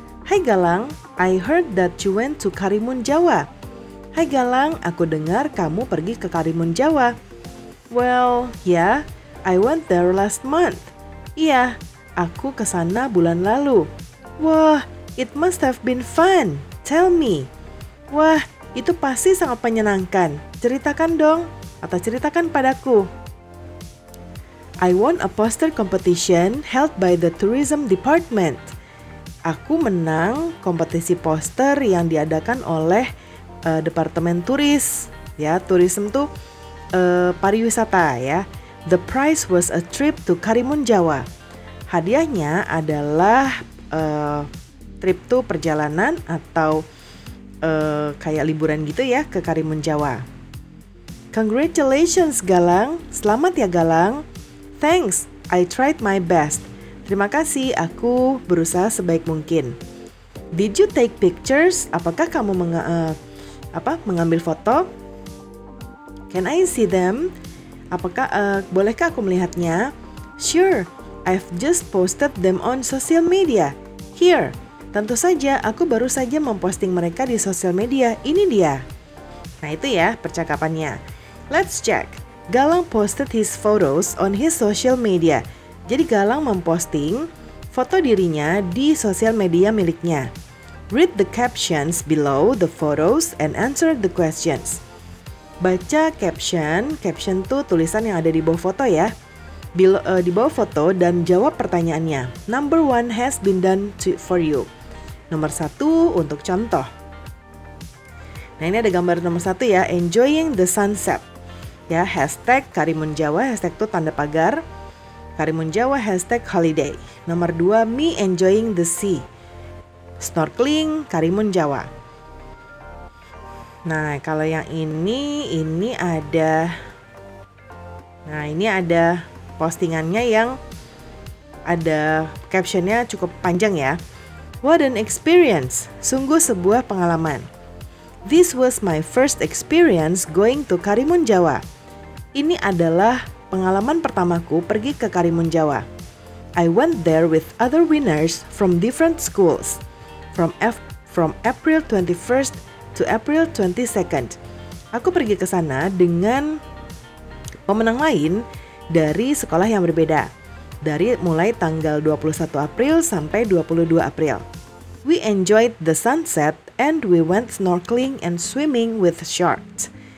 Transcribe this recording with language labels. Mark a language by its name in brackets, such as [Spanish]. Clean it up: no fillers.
[English] Hai Galang, I heard that you went to Karimun Jawa. [Indonesian] Hai Galang, aku dengar kamu pergi ke Karimun Jawa. [English] Well, yeah, I went there last month. [Indonesian] Iya, [English] yeah, [Indonesian] aku kesana bulan lalu. [English] Wah, it must have been fun. Tell me. [Indonesian] Wah, itu pasti sangat menyenangkan. Ceritakan dong, atau ceritakan padaku. [English] I won a poster competition held by the tourism department. [Indonesian] Aku menang kompetisi poster yang diadakan oleh departemen turis. Ya, tourism tuh pariwisata ya. [English] The prize was a trip to Karimun Jawa. [Indonesian] Hadiahnya adalah trip tuh perjalanan atau kayak liburan gitu ya ke Karimun Jawa. [English] Congratulations Galang, [Indonesian] selamat ya Galang. [English] Thanks, I tried my best. [Indonesian] Terima kasih, aku berusaha sebaik mungkin. [English] Did you take pictures? [Indonesian] Apakah kamu mengambil foto? [English] Can I see them? [Indonesian] Apakah bolehkah aku melihatnya? [English] Sure, I've just posted them on social media. Here. [Indonesian] Tentu saja, aku baru saja memposting mereka di social media. Ini dia. Nah, itu ya percakapannya. [English] Let's check. Galang posted his photos on his social media. [Indonesian] Jadi Galang memposting foto dirinya di sosial media miliknya. [English] Read the captions below the photos and answer the questions. [Indonesian] Baca caption. Caption tuh tulisan yang ada di bawah foto ya. Di bawah foto dan jawab pertanyaannya. [English] Number one has been done for you. [Indonesian] Nomor satu untuk contoh. Nah ini ada gambar nomor satu ya. [English] Enjoying the sunset. [Indonesian] Ya, [English] hashtag Karimun Jawa, hashtag [Indonesian] itu tanda pagar. [English] Karimun Jawa, hashtag holiday. [Indonesian] Nomor 2, [English] me enjoying the sea. [Indonesian] Snorkeling, Karimun Jawa. Nah, kalau yang ini ada. Nah, ini ada postingannya yang ada captionnya cukup panjang ya. [English] What an experience, [Indonesian] sungguh sebuah pengalaman. [English] This was my first experience going to Karimun Jawa. [Indonesian] Ini adalah pengalaman pertamaku pergi ke Karimun Jawa. [English] I went there with other winners from different schools. From April 21st to April 22nd. [Indonesian] Aku pergi ke sana dengan pemenang lain dari sekolah yang berbeda. Dari mulai tanggal 21 April sampai 22 April. [English] We enjoyed the sunset and we went snorkeling and swimming with sharks.